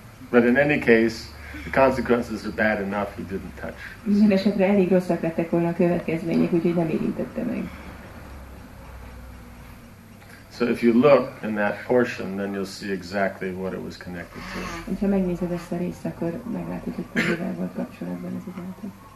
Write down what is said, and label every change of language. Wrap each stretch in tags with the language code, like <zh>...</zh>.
<en>But in any case, the consequences are bad enough, he didn't touch.</en> <hu>Minden esetre elég rosszak lettek volna a következmények, úgyhogy nem érintette meg.</hu> <en>So if you look in that portion, then you'll see exactly what it was connected to.</en> <hu>Ha megnézed ezt a részt, akkor meglátod, hogy mivel volt kapcsolatban ez az egész.</hu>